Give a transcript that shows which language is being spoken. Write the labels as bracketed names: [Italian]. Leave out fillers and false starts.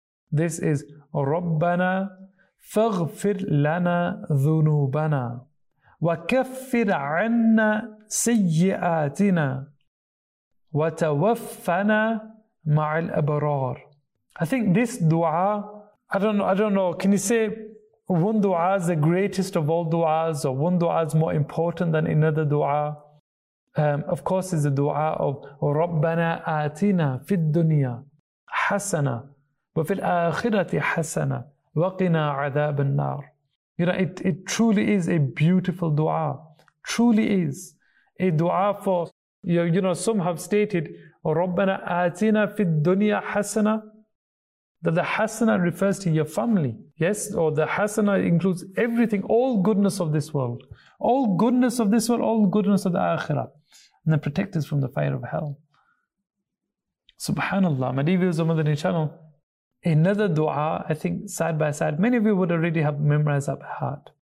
[English] This is Rabbana [Arabic] فَغْفِرْ لَنَا ذُنُوبَنَا وَكَفِّرْ عَنَّا سَيِّئَاتِنَا وَتَوَفَّنَا مَعَ الْأَبْرَارِ. [English] I think this dua, I don't know, can you say one dua is the greatest of all duas, or one dua is more important than another dua? Of course, it's a dua of [Arabic] رَبَّنَا آتِنَا فِي الدُّنْيَا حَسَنَا وَفِي الْآخِرَةِ حَسَنَا وَقِنَا عَذَابَ النَّارِ. [English] You know, it truly is a beautiful dua. Truly is a dua for, you know, some have stated [Arabic] ربنا آتنا في الدنيا حسنة. [English] The hasana refers to your family. Yes, or the hasana includes everything, all goodness of this world. All goodness of this world, all goodness of the akhirah. And then protect us from the fire of hell. Subhanallah, my dear viewers of Madani channel, another dua, I think side by side, many of you would already have memorized up heart.